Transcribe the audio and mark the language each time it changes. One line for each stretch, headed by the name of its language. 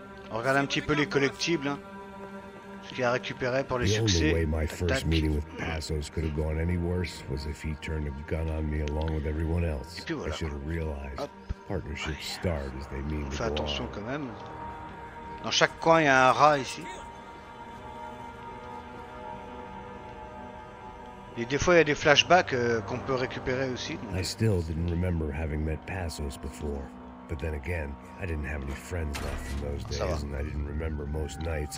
French: On regarde un petit peu les collectibles, hein. Ce qu'il a récupéré pour les succès.
English: The only way my first meeting with Passos could have gone any worse was if he turned a gun on me along with everyone else.
French: Et puis voilà.
English: I should have realized. Partnership start as they mean.
French: Fais attention quand même. Dans chaque coin, il y a un rat ici. Et des fois, il y a des flashbacks qu'on peut récupérer aussi.
English: I still didn't remember having met Passos before. But then again, I didn't have any friends left from those days, and I didn't remember most nights